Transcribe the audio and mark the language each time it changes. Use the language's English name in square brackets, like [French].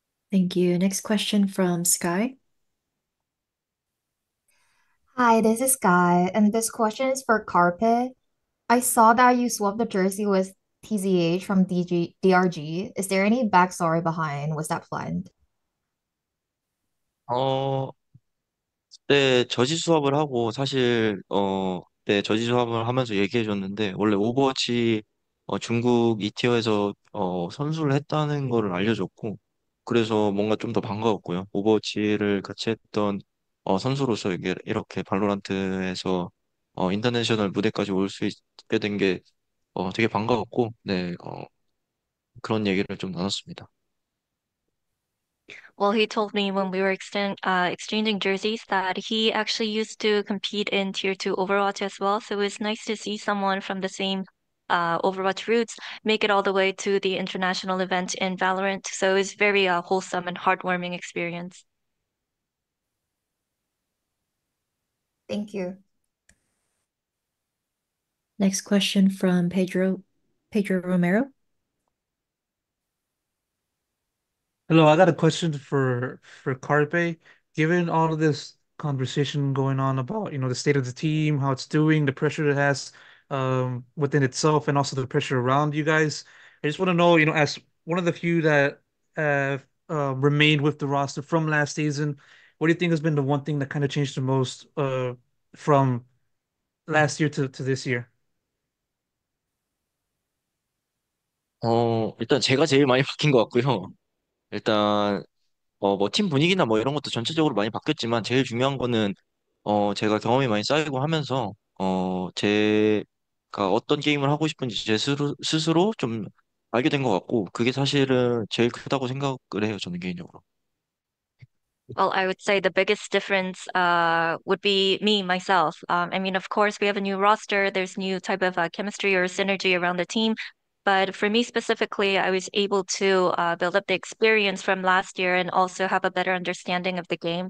[English] Thank you. Next question from Sky. Hi, this is Sky, and this question is for Carpet. I saw that you swapped the jersey with TZH from DRG. Is there any backstory behind? Was that planned? [Korean] 그때 저지 수합을 하고 사실 그때 저지 수합을 하면서 얘기해 줬는데 원래 오버워치 중국 2티어에서 선수를 했다는 거를 알려줬고 그래서 뭔가 좀더 반가웠고요. 오버워치를 같이 했던 선수로서 이렇게 발로란트에서 인터내셔널 무대까지 올수 있게 된게 되게 반가웠고 네. 그런 얘기를 좀 나눴습니다. [English] Well, he told me when we were exchanging jerseys that he actually used to compete in Tier 2 Overwatch as well. So it was nice to see someone from the same Overwatch roots make it all the way to the international event in Valorant. So it was very wholesome and heartwarming experience. Thank you. Next question from Pedro Romero. Hello, I got a question for Carpe. Given all of this conversation going on about, the state of the team, how it's doing, the pressure it has within itself, and also the pressure around you guys, I just want to know, as one of the few that have remained with the roster from last season, what do you think has been the one thing that kind of changed the most from last year to this year? [Korean] 일단 제가 제일 많이 바뀐 것 같고요. 일단 뭐팀 분위기나 뭐 이런 것도 전체적으로 많이 바뀌었지만 제일 중요한 거는 제가 경험이 많이 쌓이고 하면서 제가 어떤 게임을 하고 싶은지 제 스스로 좀 알게 된것 같고 그게 사실은 제일 크다고 생각을 해요, 저는 개인적으로. [English] Well, I would say the biggest difference would be me, myself. I mean, of course, we have a new roster. There's new type of chemistry or synergy around the team. But for me specifically, I was able to build up the experience from last year and also have a better understanding of the game.